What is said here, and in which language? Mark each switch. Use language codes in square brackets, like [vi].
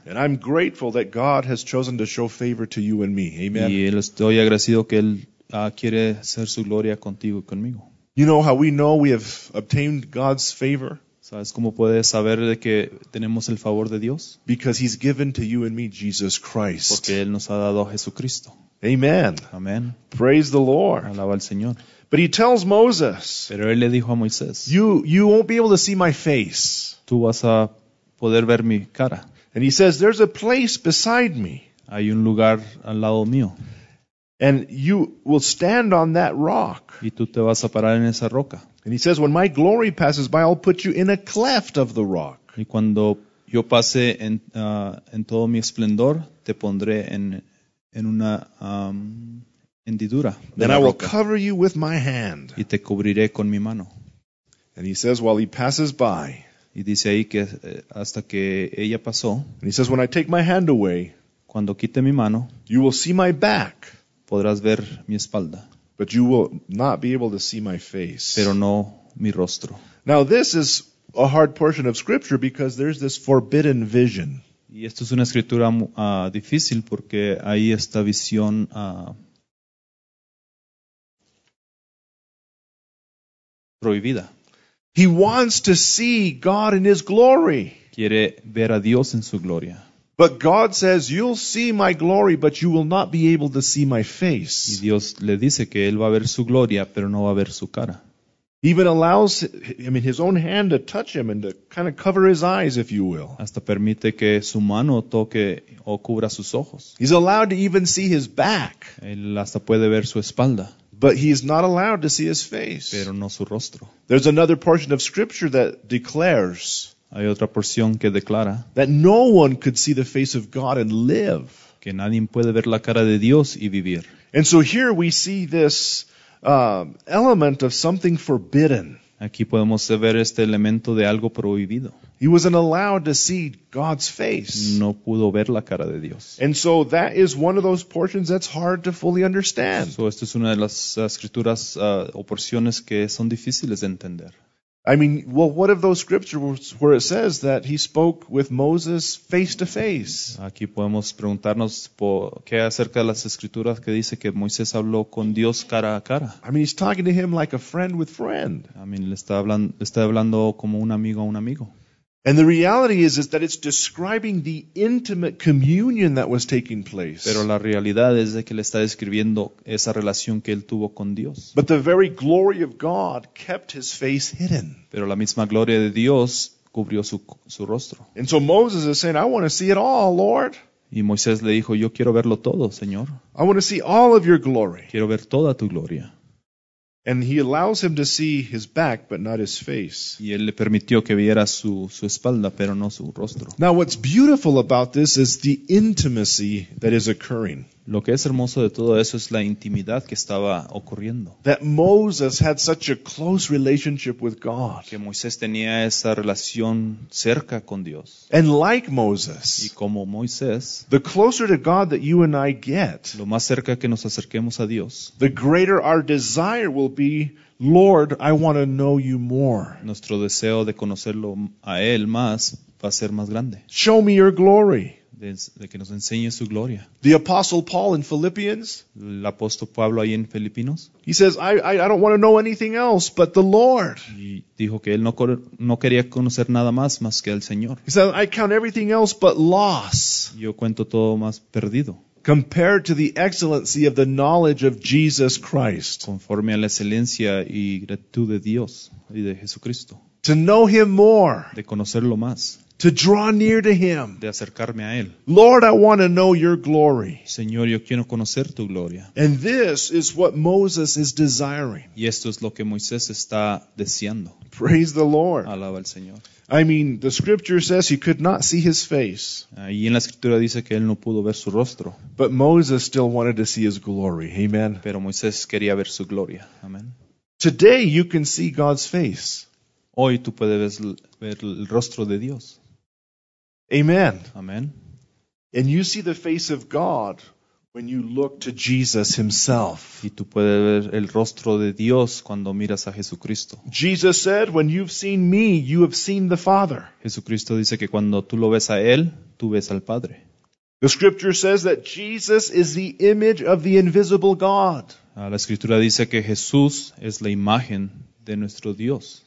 [en] And I'm grateful that God has chosen to show favor to you and me. Amen. [es] Y estoy agradecido que él quiere hacer su gloria contigo y conmigo. [en] You know we have obtained God's favor? [es] ¿Sabes cómo puedes saber de que tenemos el favor de Dios? [en] Because he's given to you and me Jesus Christ. [es] Porque él nos ha dado a Jesucristo. Amen. Amen. [en] Praise the Lord. [es] Alaba al Señor. [en] But he tells Moses. [es] Pero él le dijo a Moisés. [en] You won't be able to see my face. [es] Tú vas a poder ver mi cara. [en] And he says there's a place beside me. [es] Hay un lugar al lado mío. [en] And you will stand on that rock. [es] Y tú te vas a parar en esa roca. [en] And he says, when my glory passes by, I'll put you in a cleft of the rock. [es] Y cuando yo pase en todo mi esplendor, te pondré en una hendidura. [en] Then I will cover you with my hand. [es] Y te cubriré con mi mano. [en] And he says, while he passes by. [es] Y dice ahí que hasta que ella pasó. [en] And he says, when I take my hand away. [es] Cuando quite mi mano. [en] You will see my back. [es] Podrás ver mi espalda. [en] But you will not be able to see my face. [es] Pero no mi rostro. [en] Now this is a hard portion of scripture because there's this forbidden vision. [es] Y esto es una escritura difícil porque hay esta visión prohibida. [en] He wants to see God in his glory. [es] Quiere ver a Dios en su gloria. [en] But God says, you'll see my glory, but you will not be able to see my face. [es] Y Dios le dice que él va a ver su gloria, pero no va a ver su cara. [en] He even allows, his own hand to touch him and to kind of cover his eyes, if you will. [es] Hasta permite que su mano toque o cubra sus ojos. [en] He's allowed to even see his back. [es] Él hasta puede ver su espalda. [en] But he is not allowed to see his face. [es] Pero no su rostro. [en] There's another portion of scripture that declares. [es] Hay otra porción que declara [en] that no one could see the face of God and live. [es] Que nadie puede ver la cara de Dios y vivir. [en] And so here we see this element of something forbidden. [es] Aquí podemos ver este elemento de algo prohibido. [en] He wasn't allowed to see God's face. [es] No pudo ver la cara de Dios. [en] And so that is one of those portions that's hard to fully understand. [es] So esto es una de las escrituras o porciones que son difíciles de entender. [en] I mean, well, what of those scriptures where it says that he spoke with Moses face to face? [es] Aquí podemos preguntarnos qué acerca de las escrituras que dice que Moisés habló con Dios cara a cara. [en] I mean, he's talking to him like a friend with friend. I mean, [es] le está hablando como un amigo a un amigo. [en] And the reality is that it's describing the intimate communion that was taking place. [es] Pero la realidad es de que le está describiendo esa relación que él tuvo con Dios. [en] But the very glory of God kept his face hidden. [es] Pero la misma gloria de Dios cubrió su rostro. [en] And so Moses is saying, I want to see it all, Lord. [es] Y Moisés le dijo, yo quiero verlo todo, Señor. [en] I want to see all of your glory. [es] Quiero ver toda tu gloria. [en] And he allows him to see his back, but not his face. [es] Y él le permitió que viera su espalda, pero no su rostro. [en] Now, what's beautiful about this is the intimacy that is occurring. [es] Lo que es hermoso de todo eso es la intimidad que estaba ocurriendo. [en] That Moses had such a close relationship with God. [es] Que Moisés tenía esa relación cerca con Dios. [en] And like Moses. [es] Y como Moisés. [en] The closer to God that you and I get. [es] Lo más cerca que nos acerquemos a Dios. [en] The greater our desire will be, Lord, I want to know you more. [es] Nuestro deseo de conocerlo a él más va a ser más grande. [en] Show me your glory. [es] De que nos enseñe su gloria. [en] The Apostle Paul in Philippians. [es] El apóstol Pablo ahí en Filipinos. [en] He says, I don't want to know anything else but the Lord. [es] Y dijo que él no quería conocer nada más que al Señor. [en] He said, I count everything else but loss. [es] Yo cuento todo más perdido. [en] Compared to the excellency of the knowledge of Jesus Christ. [es] Conforme a la excelencia y gratitud de Dios y de Jesucristo. [en] To know him more. [es] De conocerlo más. [en] To draw near to him. [es] De acercarme a él. [en] Lord, I want to know your glory. [es] Señor, yo quiero conocer tu gloria. [en] And this is what Moses is desiring. [es] Y esto es lo que Moisés está deseando. [en] Praise the Lord. [es] Alaba al Señor. [en] I mean, the scripture says he could not see his face. [es] Ahí en la escritura dice que él no pudo ver su rostro. [en] But Moses still wanted to see his glory. Amen. [es] Pero Moisés quería ver su gloria. Amen. [en] Today you can see God's face. [es] Hoy tú puedes ver el rostro de Dios. Amen. Amen. [en] And you see the face of God when you look to Jesus himself. [es] Y tú puedes ver el rostro de Dios cuando miras a Jesucristo. [en] Jesus said, when you've seen me, you have seen the Father. [es] Jesucristo dice que cuando tú lo ves a él, tú ves al Padre. [en] The scripture says that Jesus is the image of the invisible God. [es] La escritura dice que Jesús es la imagen de nuestro Dios.